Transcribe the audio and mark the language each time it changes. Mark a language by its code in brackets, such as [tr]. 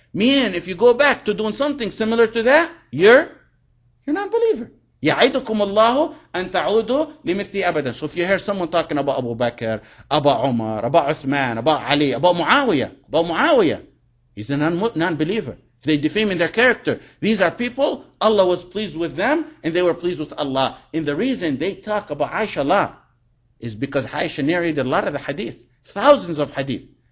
[en] Meaning, if you go back to doing something similar to that, you're not a believer. [ar] يَعِدُكُمُ اللَّهُ أَن تَعُودُوا لِمِثْلِ أَبَدًا. [en] So if you hear someone talking about Abu Bakr, about Umar, about Uthman, about Ali, about Muawiyah, he's a non-believer. If they defame in their character, these are people, Allah was pleased with them, and they were pleased with Allah. And the reason they talk about Aisha a lot is because Aisha narrated a lot of the hadith, thousands of hadith.